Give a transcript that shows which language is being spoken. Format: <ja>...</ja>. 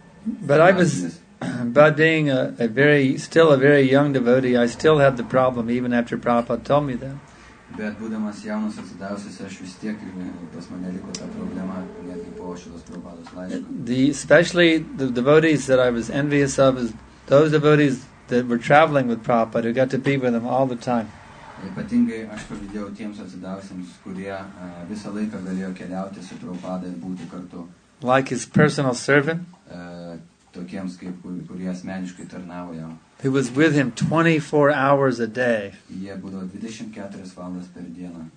<en>But I was, by being still a very young devotee, I still had the problem even after Prabhupada told me that.</en> <lt>Bet būdamas jaunas atsidavusis, aš vis tiek pas mane liko ta problema netgi po šitos Prabhupados laiško.</lt> <en>The especially the devotees that I was envious of is those devotees that were traveling with Prabhupada, who got to be with him all the time.</en> <lt>Ypatingai aš pavydėjau tiems atsidavusiems, kurie visą laiką galėjo keliauti su Prabhupada ir būti kartu.</lt> <en>Like his personal servant.</en> <lt>Tokiems kaip kurie asmeniškai tarnavo jam.</lt> <en>He was with him 24 hours a day.</en> <lt>Jie būdavo 24 valandas per dieną.</lt>